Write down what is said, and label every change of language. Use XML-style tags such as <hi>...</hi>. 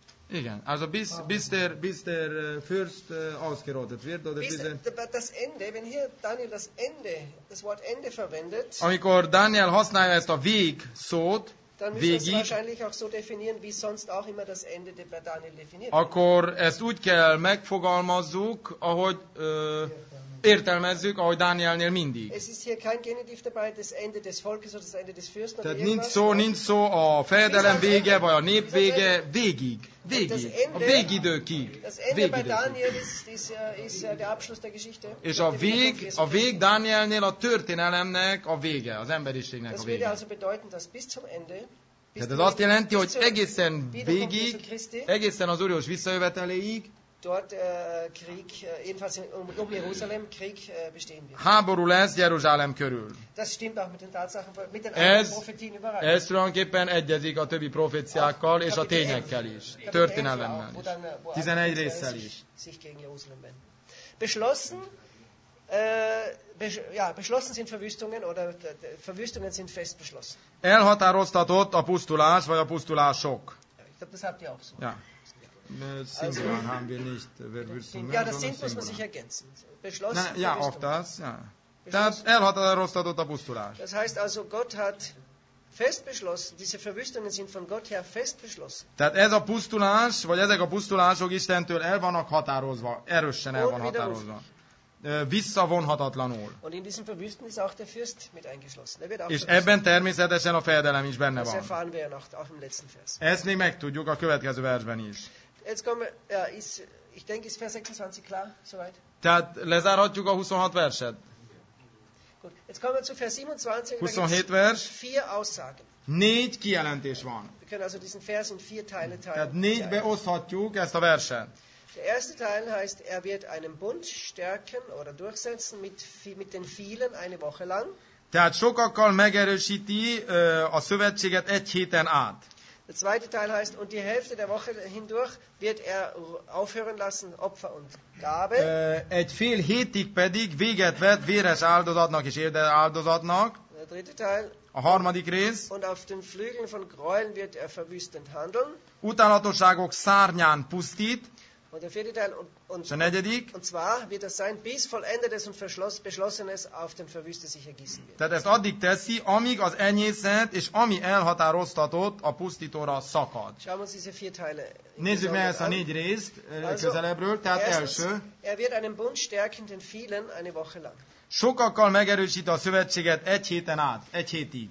<hu>Igen,</hu> <de>also bis der Fürst ausgerottet wird. Oder bis das Ende, wenn hier Daniel das Ende, das Wort Ende verwendet,</de> <hu>amikor Daniel használja ezt a vég szót,</hu> <de>dann müssen wir es wahrscheinlich auch so definieren, wie sonst auch immer das Ende der Daniel definiert.</de> <hu>Akkor ezt úgy kell megfogalmazzuk, ahogy értelmezzük, ahogy Dánielnél mindig.</hu> <de>Es ist hier kein Genitiv dabei, das Ende des Volkes oder das Ende des Fürsten.</de> <hu>Tehát nincs szó a fejedelem vége, vagy a nép vége, végig, a végidőkig.</hu> <de>Das Ende bei Daniel ist der Abschluss der Geschichte.</de> <hu>És a vég Dánielnél a történelemnek a vége, az emberiségnek a vége.</hu> <de>Das würde also bedeuten, dass bis zum Ende.</de> <hu>Tehát ez azt jelenti, hogy egészen végig, egészen az Úr Jézus visszajöveteléig,</hu> <de>dort Krieg, jedenfalls um Jerusalem Krieg bestehen wird.</de> <hu>Háború lesz Jeruzsálem körül.</hu> <de>Das stimmt auch mit den Tatsachen, mit den anderen Prophetien überein.</de> <hu>Ez tulajdonképpen egyezik a többi proféciákkal és a tényekkel is, történelemmel is. 11 résszel is.</hu> <de>Sich gegen Jerusalem wenden. Beschlossen sind Verwüstungen oder Verwüstungen sind fest beschlossen.</de> <hu>Elhatároztatott a pusztulás vagy a pusztulások.</hu> <de>Ich glaube, das habt ihr auch so. Ja. Singular also, haben wir nicht. Wer willst du mehr? Ja, das sind, muss man sich ergänzen. Beschlossen. Na, ja, auch das. Ja.</de> <hu>Tehát elhatároztatott a pusztulás.</hu> <de>Das heißt also, Gott hat fest beschlossen, diese Verwüstungen sind von Gott her fest beschlossen.</de> <hu>Tehát ez a pusztulás, vagy ezek a pusztulások Istentől el vannak határozva, erősen el van határozva. Visszavonhatatlanul.</hu> <de>Und in diesen Verwüsten ist auch der Fürst mit eingeschlossen. Der wird auch.</de> <hu>És ebben természetesen a fejedelem is benne van.</hu> <de>Das erfahren wir ja noch auch im letzten Vers.</de> <hu>Ezt még megtudjuk a következő versben is.</hu> <de>Jetzt kommen wir, ja, ist, ich denke, ist Vers 26 klar, soweit?</de> <hu>Tehát lezárhatjuk a 26 verset.</hu> <de>Gut, jetzt kommen wir zu Vers 27.</de> <hu>27 vers.</hu> <de>Vier Aussagen.</de> <hu>Négy kijelentés van.</hu> <de>Wir können also diesen Vers in vier Teile teilen.</de> <hu>Tehát négybe oszthatjuk ezt a verset.</hu> <de>Der erste Teil heißt, er wird einen Bund stärken oder durchsetzen mit den vielen eine Woche lang.</de> <hu>Tehát sokakkal megerősíti a szövetséget egy héten át.</hu> <de>Der zweite Teil heißt, und die Hälfte der Woche hindurch wird er aufhören lassen, Opfer und Gabe.</de> <hu>Egy fél hétig pedig véget vett véres áldozatnak és érdes áldozatnak.</hu> <de>Der dritte Teil.</de> <hu>A harmadik rész.</hu> <de>Und auf den Flügeln von Gräueln wird er verwüstend handeln.</de> <hu>Utálatosságok szárnyán pusztít.</hu> <de>Und der vierte Teil. Und zwar wird es sein, bis vollendetes und beschlossenes auf den Verwüste sich ergießen wird.</de> <hu>Tehát ezt addig teszi, amíg az enyészet és ami elhatároztatott a pusztítóra szakad.</hu> <de>Schauen wir uns diese vier Teile.</de> <hu>Nézzük meg ezt a négy részt közelebbről. Tehát első.</hu> <de>Er wird einen Bund stärken den vielen eine Woche lang.</de> <hu>Sokakkal megerősít a szövetséget egy héten át, egy hétig.</hu>